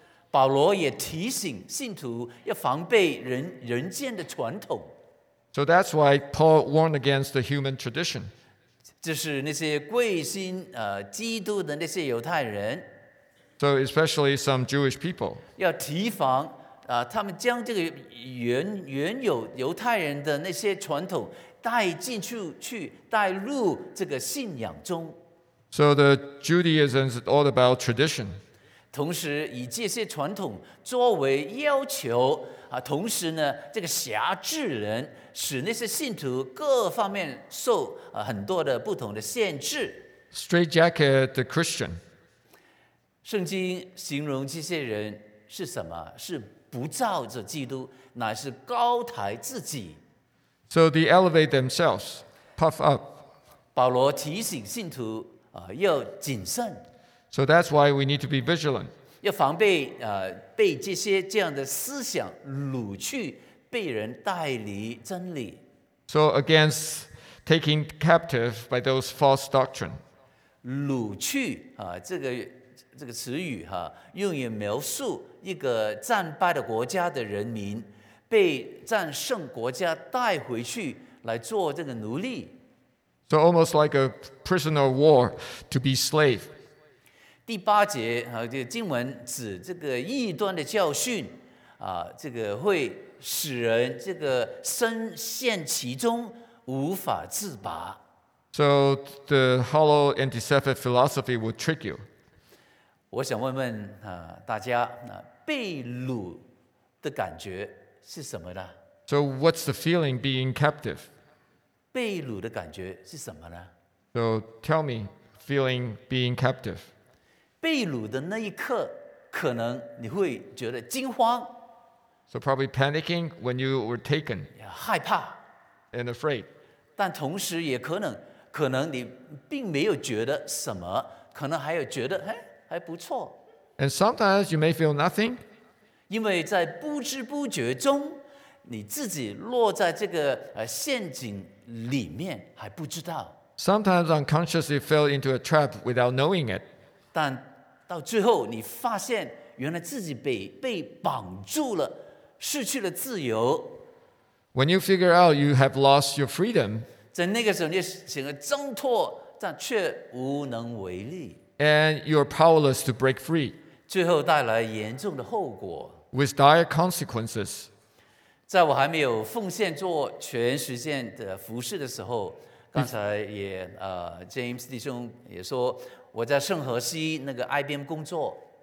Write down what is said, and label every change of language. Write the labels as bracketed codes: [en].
[zh] 保罗也提醒信徒要防备人间的传统。 [en] So that's why Paul warned against the human tradition. [zh] 这是那些贵信基督的那些犹太人。 [en] So especially some Jewish people. [zh] 要提防他们将这个原有犹太人的那些传统带进去带入这个信仰中。 [en] So the Judaism is all about tradition. [zh] 同时以这些传统作为要求同时呢这个辖制人使那些信徒各方面受很多的不同的限制。 [en] Straight jacket the Christian. [zh] 圣经形容这些人是什么？是不照着基督，乃是高抬自己。 [en] So they elevate themselves, puff up. [zh] 保罗提醒信徒要谨慎。 [en] So that's why we need to be vigilant. [zh] 要防备被这些这样的思想掳去，被人带离真理。 [en] So against taking captive by those false doctrine. [zh] 掳去这个词语用于描述一个战败的国家的人民被战胜国家带回去来做这个奴隶。 [en] So almost like a prisoner of war to be slave. [zh] 第八节这个经文指这个异端的教训这个会使人这个深陷其中无法自拔。 [en] So the hollow antithetical philosophy would trick you. [zh] 我想问问大家被掳的感觉是什么呢？ [en] So what's the feeling being captive? [zh] 被掳的感觉是什么呢？ [en] So tell me, feeling being captive. [zh] 被掳的那一刻，可能你会觉得惊慌。 [en] So probably panicking when you were taken. [zh] 害怕。 [en] And afraid. [zh] 但同时也可能你并没有觉得什么，可能还有觉得还不错。 [en] And sometimes you may feel nothing. [zh] 因为在不知不觉中，你自己落在这个陷阱里面还不知道。 [en] Sometimes unconsciously fell into a trap without knowing it. [zh] 但到最后你发现原来自己 被绑住了，失去了自由。 [en] When you figure out you have lost your freedom, [zh] 在那个时候你想要挣脱，但却无能为力。 [en] And you're powerless to break free. [zh] 最后带来严重的后果。 [en] With dire consequences. [zh] 在我还没有奉献做全时间的服事的时候，刚才也James 弟兄也说，我在圣何西那个 IBM 工作。